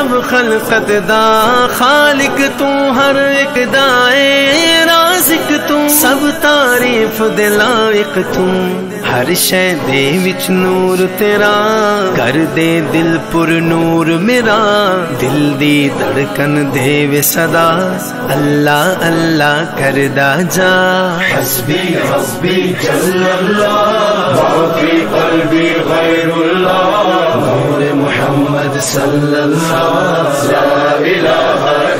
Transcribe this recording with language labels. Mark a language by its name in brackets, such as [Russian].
[Punjabi] خلقت دا خالق تو ہر ایک دائرہ نازک توں سب تعریف دے لائق توں ہر شے دے وچ نور تیرا کر دے دل پر نور میرا دل دی دھڑکن دے وے صدا اللہ اللہ کر دا جا [Arabic] حسبی ربی جل اللہ وفی قلبی غیر اللہ نور محمد صلی اللہ علیہ وسلم